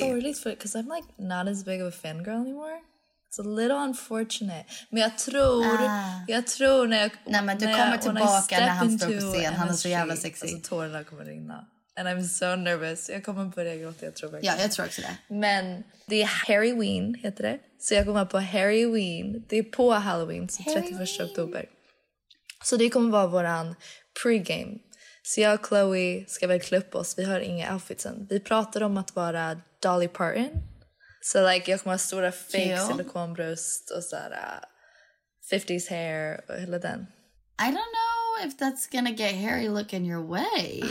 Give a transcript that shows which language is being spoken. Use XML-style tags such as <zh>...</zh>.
<en>a little sorry, because I'm like not as big of a fangirl anymore. It's a little unfortunate.</en> <sv>Men jag tror... Ah. Jag tror när jag... Nej, men du kommer tillbaka när han står på scen. Han är så jävla sexy. Alltså, tårarna kommer ringa.</sv> <en>And I'm so nervous.</en> <sv>Jag kommer börja gråta, jag tror verkligen. Ja, jag tror också det. Men det är Harry Ween, heter det. Så jag kommer på Harry Ween. Det är på Halloween, så 31 oktober. Så det kommer vara våran pregame. Så jag och Chloe ska väl klä upp oss. Vi har inga outfits än. Vi pratar om att vara Dolly Parton. Så like, jag kommer ha stora fake silikonbröst och sådär 50s hair och hela den.</sv> <en>I don't know. If that's gonna get Harry looking your way.</en>